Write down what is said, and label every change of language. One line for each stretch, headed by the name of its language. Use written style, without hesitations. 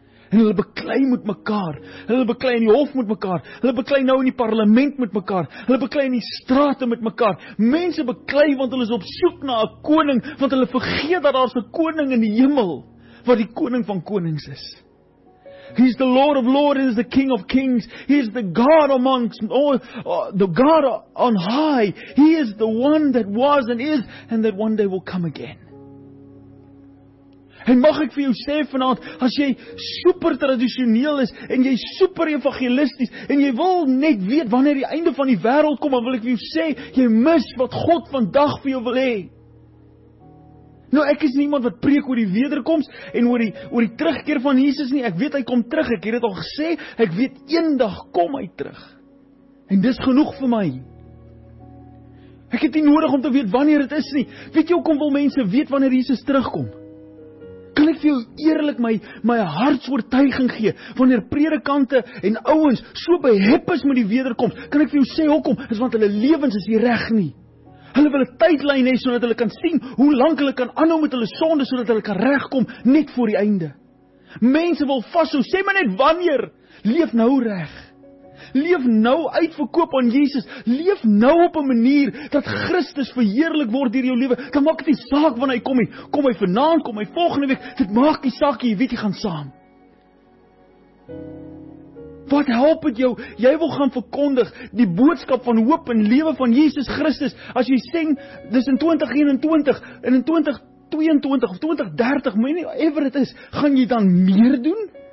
Afrikaans: En hulle beklei met mekaar, hulle beklei in die hof met mekaar, hulle beklei nou in die parlement met mekaar, hulle beklei in die strate met mekaar. Mense beklei want hulle is op soek na 'n koning, want hulle vergeet dat daar 'n koning in die hemel wat die koning van konings is.
English: He is the Lord of lords, he is the King of kings, he is the God amongst all, the God on high, he is the one that was and is, and that one day will come again.
Afrikaans: En mag ek vir jou sê vanavond, as jy super traditioneel is, en jy super evangelisties, en jy wil net weet wanneer die einde van die wêreld kom, dan wil ek vir jou sê, jy mis wat God vandag vir jou wil hê. Nou, ek is nie iemand wat preek oor die wederkoms en oor die terugkeer van Jesus nie. Ek weet hy kom terug, ek het dit al gesê, ek weet eendag kom hy terug. En dis genoeg vir my. Ek het nie nodig om te weet wanneer dit is nie. Weet jy hoekom wil mense weet wanneer Jesus terugkom? Kan ek vir jou eerlik my hartsoortuiging gee, wanneer predikante en ouens so behep is met die wederkoms, kan ek vir jou sê hoekom? Dis want hulle lewens is nie reg nie. Hulle wil 'n tydlyn hê sodat hulle kan sien hoe lank hulle kan aanhou met hulle sonde sodat hulle kan regkom net voor die einde. Mense wil vashou, sê maar net wanneer. Leef nou reg. Leef nou uitverkoop aan Jesus. Leef nou op 'n manier dat Christus verheerlik word deur jou lewe. Dan maak dit nie saak wanneer hy kom nie. Kom hy vanaand, kom hy volgende week, dit maak nie saak nie, weet jy, gaan saam. Wat help het jou? Jy wil gaan verkondig die boodskap van hoop en lewe van Jesus Christus. As jy sê, dis in 2021, en in 2022 of 2030,
English: whatever it is,
Afrikaans: gaan jy dan meer doen?